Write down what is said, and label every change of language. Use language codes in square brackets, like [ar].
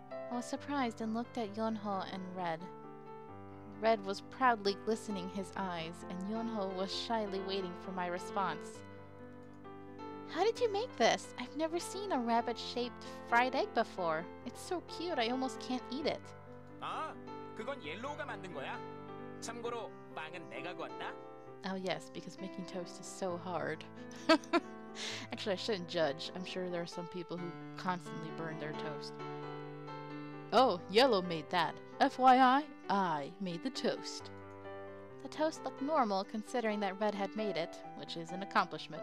[en] I was surprised and looked at Yeon-ho and Red. Red was proudly glistening his eyes, and Yeon-ho was shyly waiting for my response. How did you make this? I've never seen a rabbit-shaped fried egg before. It's so cute, I almost can't eat it. [ko] Ah, 그건 옐로우가 만든 거야. 참고로 빵은 내가 구웠다. [en] Oh yes, because making toast is so hard. Actually, I shouldn't judge. I'm sure there are some people who constantly burn their toast. Oh, Yellow made that. FYI, I made the toast. The toast looked normal, considering that Red had made it, which is an accomplishment.